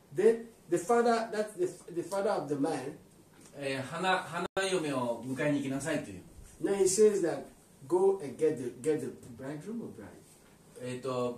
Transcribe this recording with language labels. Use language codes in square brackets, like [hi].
[en] then the father, that's the father of the man, [ja] 花嫁を迎えに行きなさいという。 [en] Now he says that go and get the bridegroom or bride.